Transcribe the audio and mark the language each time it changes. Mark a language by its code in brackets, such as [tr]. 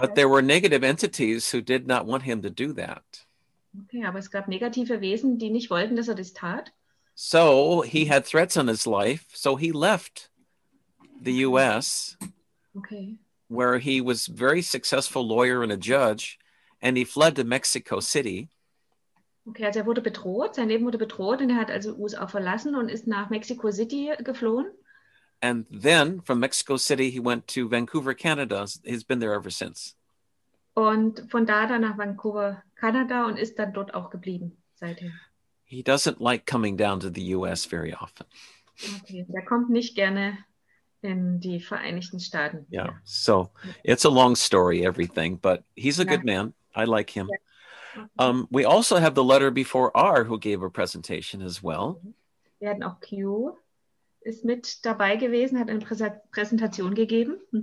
[en] But there were negative entities who did not want him to do that. [de] Okay, aber es gab negative Wesen, die nicht wollten, dass er das tat. [en] So he had threats on his life, so he left the US. Okay. Where he was a very successful lawyer and a judge, and he fled to Mexico City. [de] Okay, also er wurde bedroht, sein Leben wurde bedroht, und er hat also USA verlassen und ist nach Mexico City geflohen. [en] And then from Mexico City he went to Vancouver, Canada. He's been there ever since. [de] Und von da dann nach Vancouver, Kanada, und ist dann dort auch geblieben seitdem. [en] He doesn't like coming down to the US very often. [de] Okay, er kommt nicht gerne in die Vereinigten Staaten. [en] Yeah, so it's a long story, everything, but he's a good man. I like him. Yeah. We also have the letter before R, who gave a presentation as well. [de] Wir hatten auch Q, ist mit dabei gewesen, hat eine Präsentation gegeben.